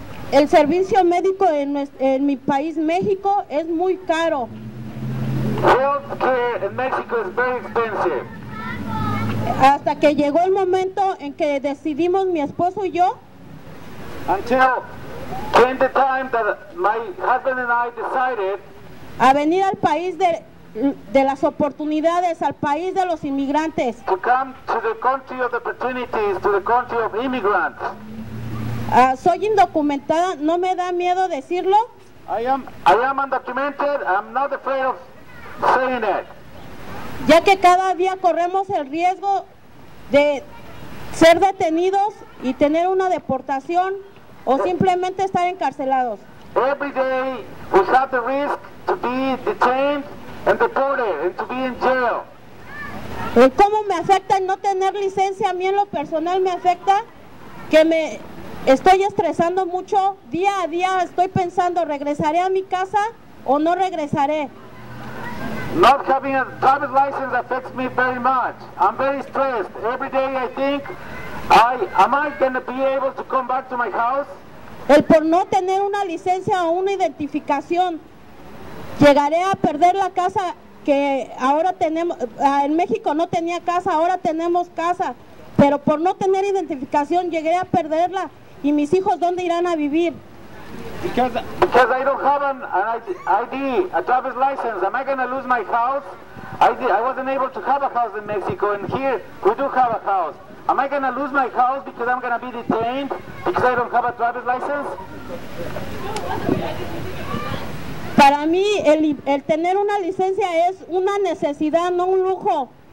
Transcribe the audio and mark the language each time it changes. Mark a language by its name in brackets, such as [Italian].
[Spanish] El servicio médico en mi país, México, es muy caro. [English] Health care in Mexico is very expensive. [Spanish] Hasta que llegó el momento en que decidimos mi esposo y yo. [English] Until came the time that my husband and I decided. [Spanish] A venir al país de las oportunidades, al país de los inmigrantes. [English] To come to the country of the opportunities, to the country of immigrants. [Spanish] Soy indocumentada, no me da miedo decirlo. [English] I am undocumented, I'm not afraid of saying it. [Spanish] Ya que cada día corremos el riesgo de ser detenidos y tener una deportación o simplemente estar encarcelados. [English] Every day we have the risk to be detained and deported, and to be in jail. [Spanish] ¿Cómo me afecta no tener licencia? A mí en lo personal me afecta que me estoy estresando mucho. Día a día estoy pensando, ¿regresaré a mi casa o no regresaré? [English] Not having a driver's license affects me very much. I'm very stressed. Every day I think, am I going to be able to come back to my house? [Spanish] El por no tener una licencia o una identificación, llegaré a perder la casa que ahora tenemos. En México no tenía casa, ahora tenemos casa. Pero por no tener identificación, llegué a perderla. ¿Y mis hijos dónde irán a vivir? [English] Because I don't have an ID, a driver's license. Am I going to lose my house? I wasn't able to have a house in Mexico, and here we do have a house. Am I going to lose my house because I'm going to be detained because I don't have a driver's license? [Spanish] Para mí, el tener una licencia es una necesidad, no un lujo.